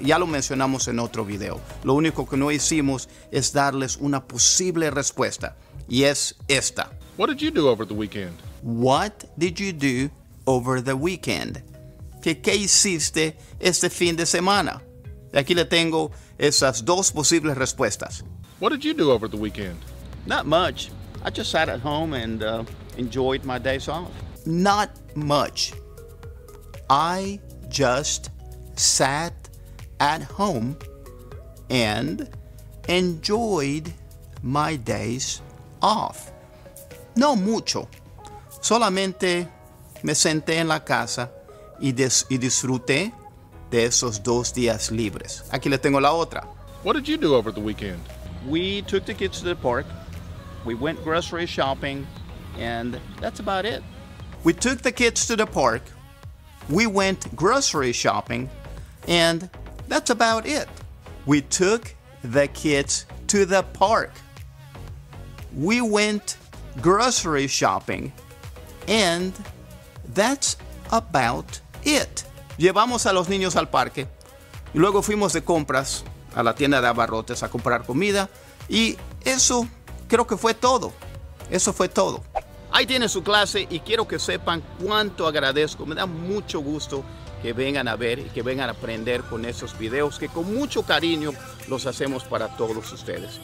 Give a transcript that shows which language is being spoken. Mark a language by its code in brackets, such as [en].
[es] Ya lo mencionamos en otro video. Lo único que no hicimos es darles una posible respuesta. Y es esta. [en] What did you do over the weekend? What did you do over the weekend? [es] ¿Qué hiciste este fin de semana? Y aquí le tengo esas dos posibles respuestas. [en] What did you do over the weekend? Not much. I just sat at home and enjoyed my days off. Not much. I just sat at home and enjoyed my days off. [es] No mucho. Solamente me senté en la casa y disfruté de esos dos días libres. Aquí le tengo la otra. [en] What did you do over the weekend? We took the kids to the park. We went grocery shopping, and that's about it. We took the kids to the park. We went grocery shopping, and that's about it. We took the kids to the park. We went grocery shopping, and that's about it. [es] Llevamos a los niños al parque, y luego fuimos de compras a la tienda de abarrotes a comprar comida, y eso... Creo que fue todo. Eso fue todo. Ahí tienen su clase y quiero que sepan cuánto agradezco. Me da mucho gusto que vengan a ver y que vengan a aprender con esos videos que con mucho cariño los hacemos para todos ustedes.